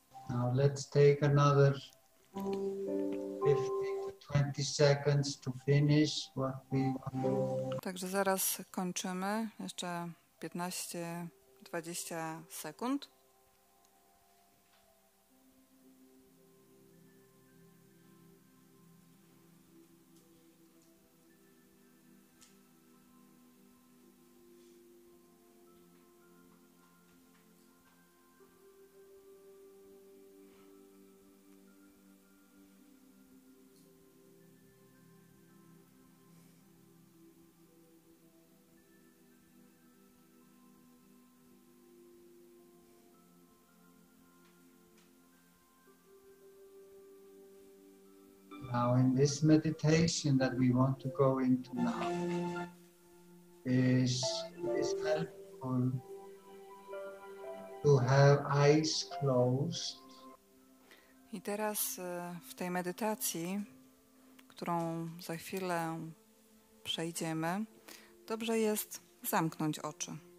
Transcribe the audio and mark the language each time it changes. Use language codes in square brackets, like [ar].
[en] Now let's take another 15-20 seconds to finish what we do. [pl] Także zaraz kończymy, jeszcze 15-20 sekund. [en] now, in this meditation that we want to go into now, is helpful to have eyes closed. [pl] I teraz w tej medytacji, którą za chwilę przejdziemy, dobrze jest zamknąć oczy.